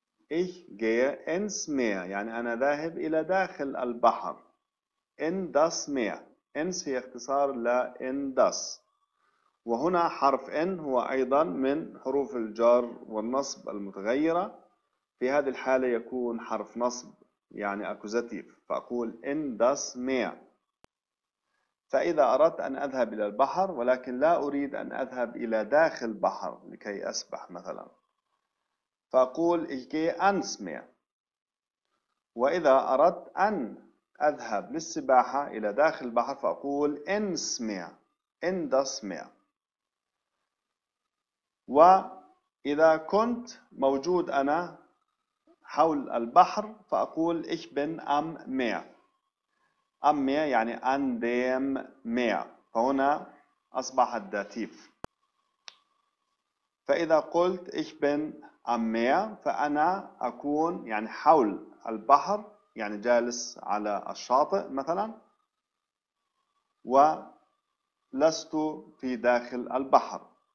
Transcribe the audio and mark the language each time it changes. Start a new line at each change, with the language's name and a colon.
German: Ich gehe ins Meer،
Arabic: يعني أنا ذاهب إلى داخل البحر.
German: In das Meer.
Arabic: Ins هي اختصار ل
German: in das.
Arabic: وهنا حرف N هو أيضا من حروف الجر والنصب المتغيرة. في هذه الحالة يكون حرف نصب، يعني أكوزاتيف. فأقول
German: in das Meer.
Arabic: فإذا أردت أن أذهب إلى البحر، ولكن لا أريد أن أذهب إلى داخل البحر لكي أسبح مثلا، فأقول
German: ich gehe ans Meer.
Arabic: وإذا أردت أن أذهب للسباحة إلى داخل البحر، فأقول
German: ins Meer. In das Meer.
Arabic: وإذا كنت موجود أنا حول البحر، فأقول
German: ich bin am Meer. Am Meer
Arabic: يعني
German: an dem Meer.
Arabic: فهنا أصبح الداتيف. فإذا قلت
German: ich bin am Meer،
Arabic: فأنا أكون يعني حول البحر، يعني جالس على الشاطئ مثلا، ولست في داخل البحر.